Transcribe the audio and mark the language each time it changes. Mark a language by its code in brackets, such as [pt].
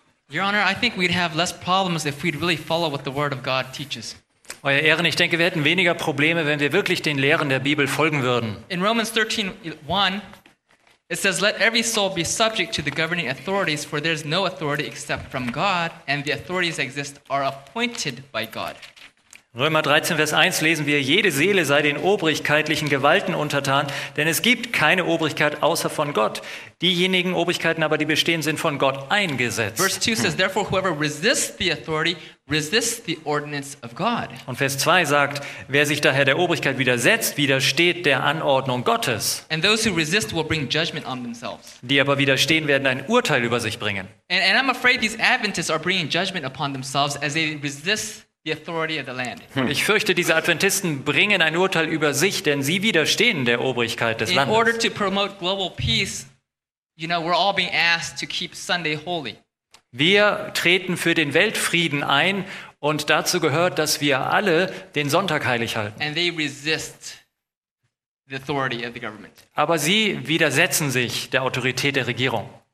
[en] Your Honor, I think we'd have less problems if we'd really follow what the Word of God teaches. [de] Euer Ehren, ich denke, wir hätten weniger Probleme, wenn wir wirklich den Lehren der Bibel folgen würden. [en] In Romans 13:1, it says, let every soul be subject to the governing authorities, for there is no authority except from God, and the authorities exist are appointed by God. [de] Römer 13, Vers 1 lesen wir, jede Seele sei den obrigkeitlichen Gewalten untertan, denn es gibt keine Obrigkeit außer von Gott. Diejenigen Obrigkeiten aber, die bestehen, sind von Gott eingesetzt. [en] Verse 2 says, therefore whoever resists the authority resists the ordinance of God. [de] Und Vers 2 sagt, wer sich daher der Obrigkeit widersetzt, widersteht der Anordnung Gottes. [en] And those who resist will bring judgment on themselves. [de] Die aber widerstehen, werden ein Urteil über sich bringen. [en] And I'm afraid these Adventists are bringing judgment upon themselves as they resist the authority of the land. [de] Ich fürchte, diese Adventisten bringen ein Urteil über sich, denn sie widerstehen der Obrigkeit des Landes. [en] In order to promote global peace, you know, we're all being asked to keep Sunday holy. [de] Wir treten für den Weltfrieden ein und dazu gehört, dass wir alle den Sonntag heilig halten. [en] And they resist the authority of the government. [de] Aber sie widersetzen sich der Autorität der Regierung.